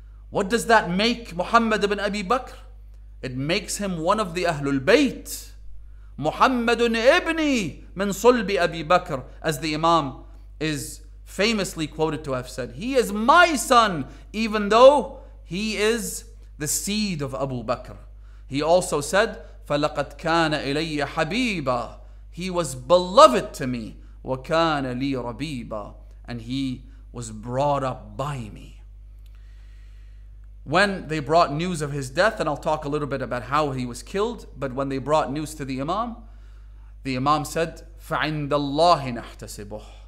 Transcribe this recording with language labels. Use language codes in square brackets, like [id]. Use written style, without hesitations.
[en] What does that make Muhammad ibn Abi Bakr? It makes him one of the Ahlul Bayt. [ar] Muhammadun ibni min sulbi Abi Bakr, [en] as the Imam is famously quoted to have said. He is my son, even though he is the seed of Abu Bakr. He also said, [ar] فَلَقَدْ كَانَ إِلَيَّ حَبِيبًا. [en] He was beloved to me. [ar] وَكَانَ لِي رَبِيبًا. [en] And he was brought up by me. When they brought news of his death, and I'll talk a little bit about how he was killed, but when they brought news to the Imam said, [ar] فَعِنْدَ اللَّهِ نَحْتَسِبُهُ.